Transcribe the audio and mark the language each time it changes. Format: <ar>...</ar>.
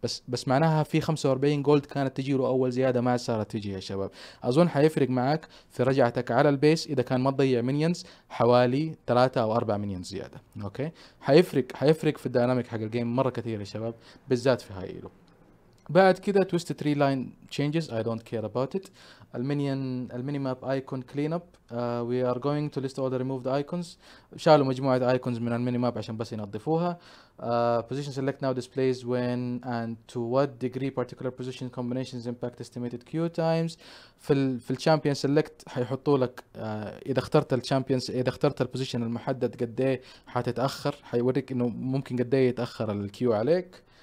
<ar>بس معناها في 45 جولد كانت تجيله أول زيادة ما صارت تجي يا شباب. أظن حيفرق معك في رجعتك على البيس إذا كان ما تضيع مينيونز حوالي 3 أو 4 مينيونز زيادة. أوكي، حيفرق في الديناميك حق الجيم مرة كثير يا شباب، بالذات في هاي إيلو. بعد كده</ar> <en>twist tree line changes I don't care about it. المينيماب ايكون كلين اب، وي ار جوينج تو ليست اول ذا ريموفد ايكونز،</en> <ar>شالوا مجموعه ايكونز من المينيماب عشان بس ينظفوها.</ar> <en>position select now displays when and to what degree particular position combinations impact estimated queue times.</en> <ar>في الشامبيون سيلكت حيحطوا لك اذا اخترت الشامبيونز، اذا اخترت البوزيشن المحدد قد ايه حتتاخر، حيوريك انه ممكن قد ايه يتاخر الكيو عليك.</ar>